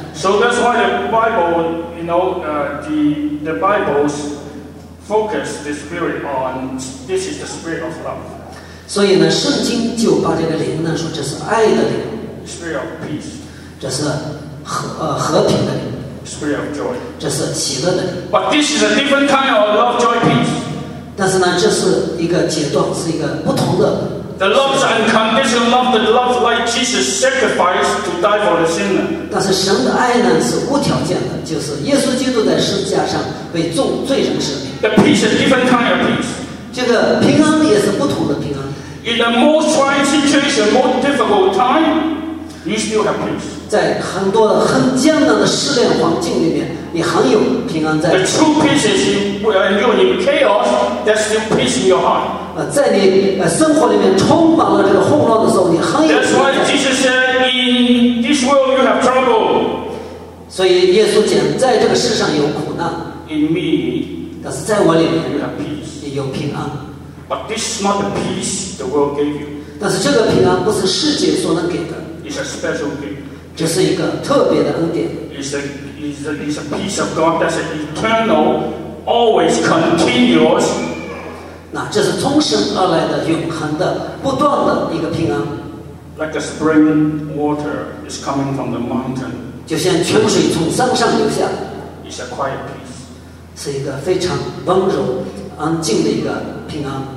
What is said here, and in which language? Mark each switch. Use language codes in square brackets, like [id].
[en] So that's why the Bible, you know, the Bible's focus the spirit on this is the spirit of love. [zh] 所以呢，圣经就把这个灵呢说这是爱的灵 [en] ，spirit of peace. [zh] 这是和平的灵 [en] ，spirit of joy. [zh] 这是喜乐的灵。 [en] But this is a different kind of love, joy, peace. [zh] 但是呢，这是一个阶段，是一个不同的。 [en] The love is unconditional love, the love like Jesus sacrificed to die for the sinner. [zh] 但是神的爱呢是无条件的，就是耶稣基督在十字架上为众罪人舍命。 [en] The peace is different kind of peace. [zh] 这个平安也是不同的平安。 [en] In the most trying situation, most difficult time, you still have peace. [zh] 在很多很艰难的试炼环境里面，你很有平安在。 [en] The true peace is when you're in chaos, there's still peace in your heart. [zh] 在你生活里面充满了这个混乱的时候，你很有。 [en] That's why Jesus said, "In this world you have trouble." [zh] 所以耶稣讲，在这个世上有苦难。 [en] In me, [zh] 但是在我里面 [en] you have peace. [zh] 也有平安。 [en] But this is not the peace the world gave you. [zh] 但是这个平安不是世界所能给的。 [en] It's a special gift. [zh] 这是一个特别的恩典。 [en] It's a peace of God that's eternal, always continuous. [zh] 那这是从神而来的永恒的不断的一个平安 [en] like a spring water is coming from the mountain [zh] 就像泉水从山上流下 [en] it's a quiet peace [zh] 是一个非常温柔安静的一个平安